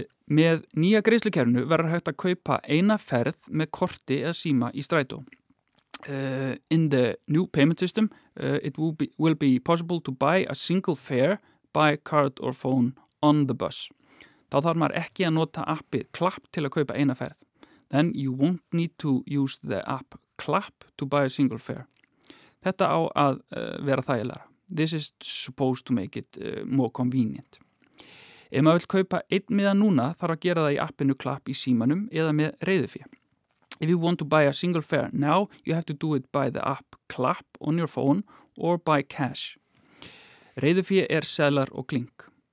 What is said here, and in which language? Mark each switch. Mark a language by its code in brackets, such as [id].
[is] Með nýja greiðslukerfinu verður hægt að kaupa eina ferð með korti eða síma í Strætó. [en] In the new payment system, it will be possible to buy a single fare by card or phone on the bus. [is] Þá þarf maður ekki að nota appið Klapp til að kaupa eina ferð. [en] Then you won't need to use the app Klapp to buy a single fare. [is] Þetta á að vera þægilegra. [en] This is supposed to make it more convenient. [is] Ef maður vill kaupa einn miða núna, þarf að gera það í appinu Klapp í símanum eða með reiðufé. [en] If you want to buy a single fare now, you have to do it by the app Klapp on your phone or by cash. [is] Reiðufé seðlar og klink.